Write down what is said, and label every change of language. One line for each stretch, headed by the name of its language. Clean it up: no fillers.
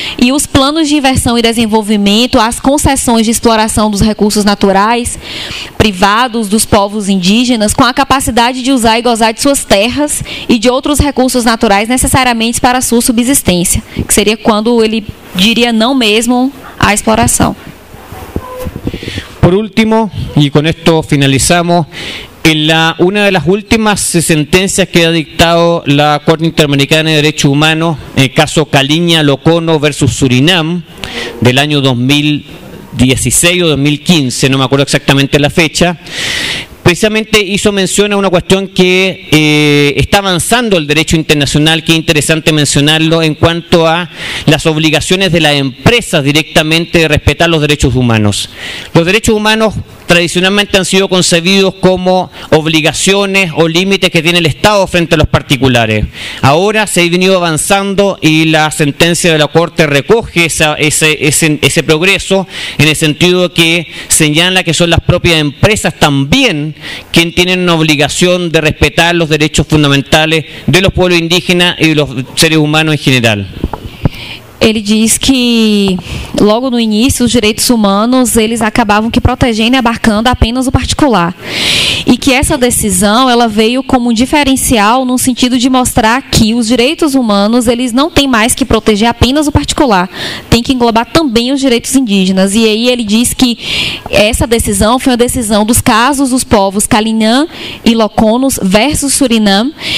Portuguese: E os planos de inversão e desenvolvimento, as concessões de exploração dos recursos naturais privados dos povos indígenas, com a capacidade de usar e gozar de suas terras e de outros recursos naturais necessariamente para a sua subsistência, que seria quando ele diria não mesmo à exploração. Por último, e com isto finalizamos,
Spanish: En la, una de las últimas sentencias que ha dictado la Corte Interamericana de Derechos Humanos, en el caso Caliña Locono versus Surinam, del año 2016 o 2015, no me acuerdo exactamente la fecha, precisamente hizo mención a una cuestión que está avanzando el derecho internacional, que es interesante mencionarlo, en cuanto a las obligaciones de las empresas directamente de respetar los derechos humanos. Los derechos humanos tradicionalmente han sido concebidos como obligaciones o límites que tiene el Estado frente a los particulares. Ahora se ha venido avanzando y la sentencia de la Corte recoge ese progreso en el sentido que señala que son las propias empresas también quien tienen una obligación de respetar los derechos fundamentales de los pueblos indígenas y de los seres humanos en general.
Portuguese: Ele diz que logo no início os direitos humanos eles acabavam que protegendo e abarcando apenas o particular. E que essa decisão ela veio como um diferencial no sentido de mostrar que os direitos humanos eles não têm mais que proteger apenas o particular, tem que englobar também os direitos indígenas. E aí ele diz que essa decisão foi uma decisão dos casos dos povos Kalinã e Loconos versus Surinam.